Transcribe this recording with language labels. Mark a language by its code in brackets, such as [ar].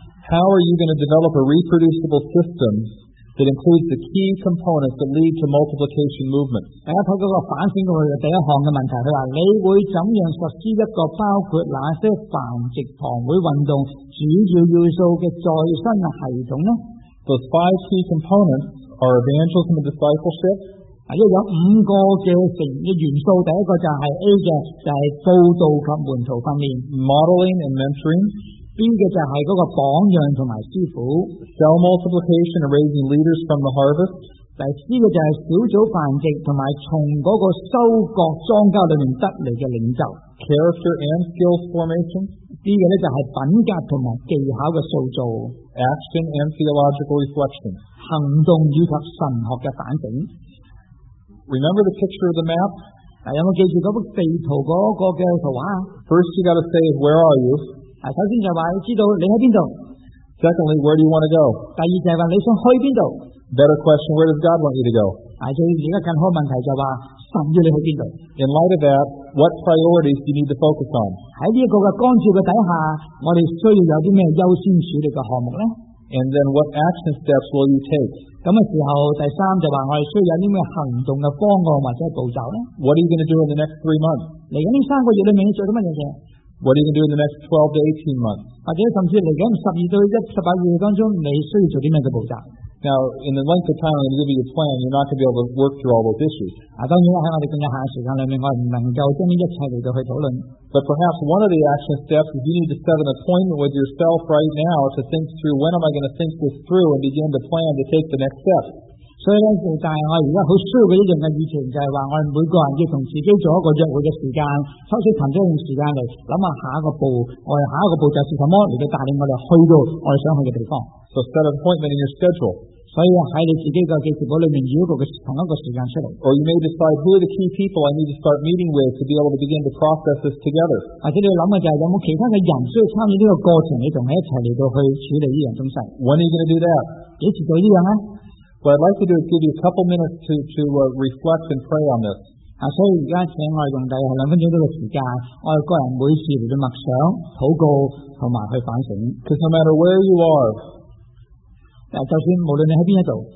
[en] How are you going to develop a reproducible system that includes the key components that lead to multiplication movement? [yue] 大家睇嗰个反省嗰个第一项嘅问题，佢话你会怎样实施一个包括哪些繁殖堂会运动主要要素嘅再生系统呢 [en] ？Those five key components are evangelism and discipleship. [yue] 啊，因为有五个嘅成嘅元素，第一个就系 A 嘅，就系报道及门徒训练 [en] ，modeling and mentoring。 [yue] B 嘅就系嗰个榜样同埋师傅 [en] ，cell multiplication and raising leaders from the harvest。 [yue] 第 C 嘅就系小组繁殖同埋从嗰个收割庄稼里面得嚟嘅领袖 [en] ，character and skill formation。 [yue] D 嘅咧就系品格同埋技巧嘅塑造 [en] ，action and theological reflection。 [yue] 行动以及神学嘅反省。 [en] Remember the picture of the map？ [yue] 有冇记住嗰幅地图嗰个嘅图画 [en] ？First you got to say where are you？ [yue] 首先就话你知道你喺边度。 [en] Secondly, where do you want to go? [yue] 第二就系话你想去边度。 [en] Better question, where does God want you to go? [yue] 最而家更好问题就话神要你去边度。 [en] In light of that, what priorities do you need to focus on? [yue] 喺呢一个嘅光照嘅底下，我哋需要有啲咩优先处理嘅项目咧 [en] ？And then what action steps will you take? [yue] 咁嘅时候，第三就话我哋需要有啲咩行动嘅方案或者步骤咧 [en] ？What are you going to do in the next 3 months? [yue] 嚟紧呢三个月里面你做啲乜嘢嘅？ [en] What are you going to do in the next 12 to 18 months? [yue] 或者甚至嚟紧十二到一十八月当中，你需要做啲咩嘅步骤 [en] ？Now, in the length of time I'm going to give you a plan, you're not going to be able to work through all those issues. [yue] 当然喺我哋更有限嘅时间里面，我唔能够将呢一切嚟到去讨论。 [en] But perhaps one of the action steps is you need to set an appointment with yourself right now to think through when am I going to think this through and begin to plan to take the next step. [yue] 所以咧，就但系我而家好需要嘅一样嘅议程，就系话我哋每个人要同自己做一个约会嘅时间，抽出腾出一段时间嚟谂下下一个步，我哋下一个步骤是什么，嚟到带领我哋去到我哋想去嘅地方。 [en] So set an appointment in your schedule. [yue] 所以喺你自己嘅计时簿里面，要一个同一个时间出嚟。 [en] Or you may decide who are the key people I need to start meeting with to be able to begin to process this together. [yue] 或者你谂嘅就系有冇其他嘅人需要参与呢个过程，你同佢一齐嚟到去处理呢样东西。 [en] When are you going to do that? [yue] 几时做呢样啊？ [en] What I'd like to do is give you a couple minutes to reflect and pray on this. [yue] 所以而家请我用第两分钟呢个时间，我个人每次嚟到默想、祷告同埋去反省。 [en] Because no matter where you are, [yue] 就算无论你喺边一度